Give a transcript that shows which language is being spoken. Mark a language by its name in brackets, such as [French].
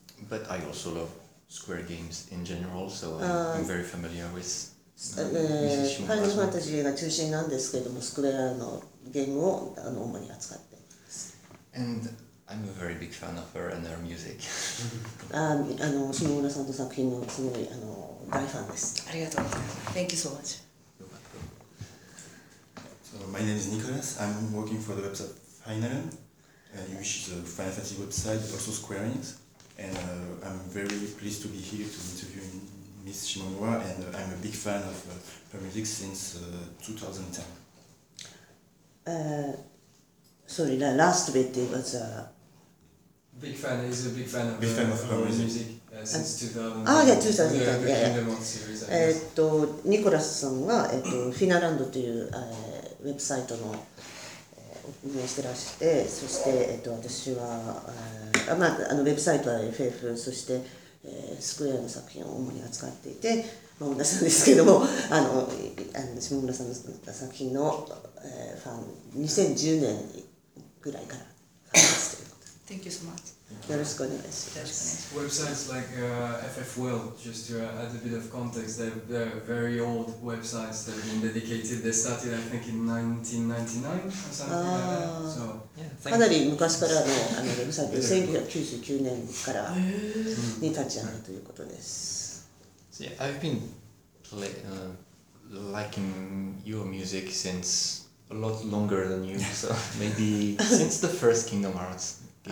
[English] But I also love Square games in general, so I'm very familiar with. [Japanese] Final Fantasy が中心なんですけれども、スクエアのゲームをあの主に扱って。 [English] And I'm a very big fan of her and her music. [Japanese] あの下村さんの作品のすごいあの。大ファンです。ありがとうございます。 [English] Thank you so much. So my name is Nicholas. I'm working for the website Final, which is a Final Fantasy website, also Square Enix. And I'm very pleased to be here to interview Miss Shimonowa, and I'm a big fan of her music since 2010. Sorry, the last bit was a big fan. Big fan of her music. Since 2000, the Kingdom Hearts series. [Japanese] ニコラスさんがフィナランドというウェブサイトの運営してらして、そして私はあのウェブサイトは FF、そしてスクエアの作品を主に扱っていて、下村さんですけども、下村さんの作品のファン、2010年ぐらいからファンですということで。 [English] Thank you so much. [Japanese] よろしくお願いします [English] Websites like FF World, just to add a bit of context, they're very old websites that have been dedicated. They started, I think, in 1999 or something like that. So, [Japanese] かなり昔からのウェブサイト、1999年からに立ち上げということです。 [English] Yeah, I've been liking your music since a lot longer than you, so maybe since the first Kingdom Hearts.